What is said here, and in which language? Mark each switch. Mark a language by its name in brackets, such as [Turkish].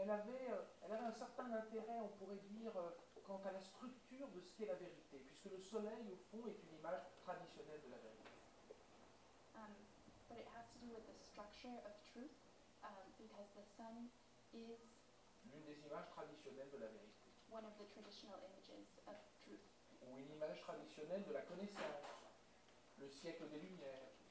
[French] elle avait un certain intérêt, on pourrait dire, quant à la structure de ce qu'est la vérité, puisque le soleil, au fond, est une image traditionnelle de la vérité. [English] But it has to do with the structure of truth, because the sun is [French] l'une des images traditionnelles de la vérité. [English] One of the traditional images of truth. [French] Ou une image traditionnelle de la connaissance, le siècle des Lumières.